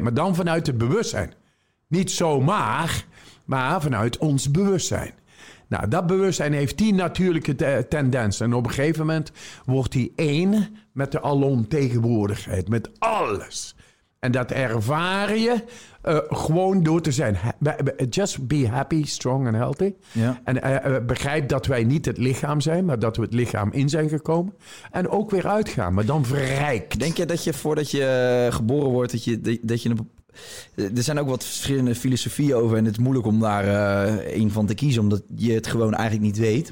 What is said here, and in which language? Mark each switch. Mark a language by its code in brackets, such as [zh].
[nl] Maar dan vanuit het bewustzijn. Niet zomaar, maar vanuit ons bewustzijn. Nou, dat bewustzijn heeft 10 natuurlijke tendensen. En op een gegeven moment wordt hij 1 met de alomtegenwoordigheid. Met alles. En dat ervaar je gewoon door te zijn. [en] Just be happy, strong and healthy. [nl] Ja. En begrijp dat wij niet het lichaam zijn, maar dat we het lichaam in zijn gekomen. En ook weer uitgaan, maar dan verrijkt. Denk je dat je voordat je geboren wordt, dat je een... Er zijn ook wat verschillende filosofieën over en het is moeilijk om daar een van te kiezen, omdat je het gewoon eigenlijk niet weet.